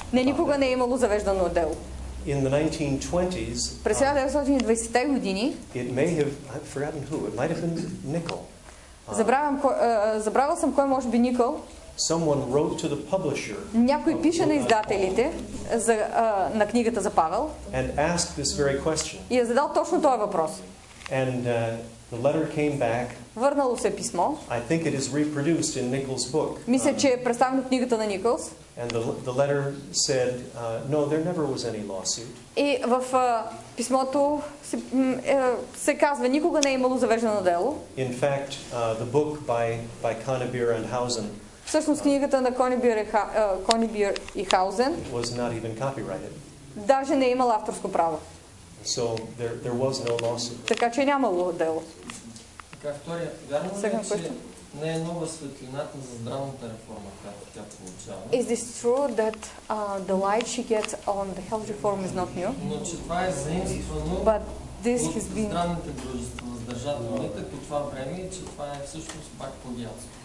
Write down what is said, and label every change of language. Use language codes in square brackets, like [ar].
[bg] Не, никога не е имало завеждано дело. [en] In the 1920s, [bg] през 1920-те години, [en] it may have, I've forgotten who, it might have been Nickel. [bg] Забравил съм кой може би Nickel. [en] Someone wrote to the publisher. [bg] Някой пише на издателите за на книгата за Павел. [en] And asked this very question. [bg] И е задал точно този въпрос. [en] And the letter came back. [bg] Върнало се писмо. [en] I think it is reproduced in Nickel's book. [bg] Мисля, че е представено в книгата на Nickel. [en] And the letter said, no, there never was any lawsuit. [bg] И в писмото се казва, никога не е имало завеждано дело. [en] In fact, the book by Conybeare and Housen. [bg] Всъщност книгата на Conybeare и Housen [en] was not even copyrighted. [bg] Даже не е имала авторско право. [en] So there was no lawsuit. [bg] Така че нямало дело. Така, вторият, вярно ли е, че не е нова светлината за здравната реформа, която тя получава? [en] Is this true that the light she gets on the health reform is not new? [bg] Но че това е заимствано от здравните дружества на здравните по това време, че това е всъщност пак подялство.